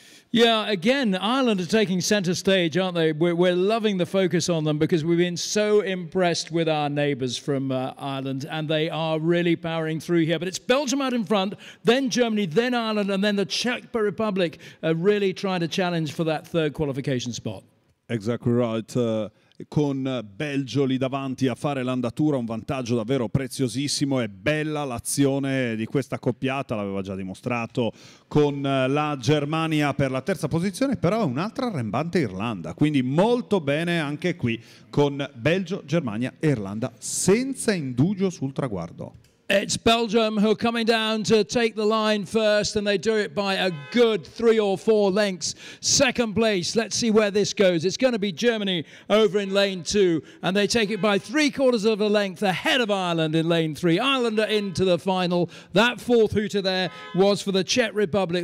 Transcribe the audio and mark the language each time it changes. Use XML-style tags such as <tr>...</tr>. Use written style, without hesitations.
<en>Yeah, again, Ireland are taking center stage, aren't they? We're loving the focus on them because we've been so impressed with our neighbors from Ireland, and they are really powering through here. But it's Belgium out in front, then Germany, then Ireland, and then the Czech Republic are really trying to challenge for that third qualification spot. Exactly right.</en> <it>Con Belgio lì davanti a fare l'andatura, un vantaggio davvero preziosissimo e bella l'azione di questa accoppiata, l'aveva già dimostrato con la Germania per la terza posizione, però è un'altra arrembante Irlanda, quindi molto bene anche qui con Belgio, Germania e Irlanda senza indugio sul traguardo.</it> <en>It's Belgium who are coming down to take the line first, and they do it by a good 3 or 4 lengths. Second place, let's see where this goes. It's going to be Germany over in lane 2, and they take it by 3/4 of a length ahead of Ireland in lane 3. Ireland are into the final. That fourth hooter there was for the Czech Republic.</en>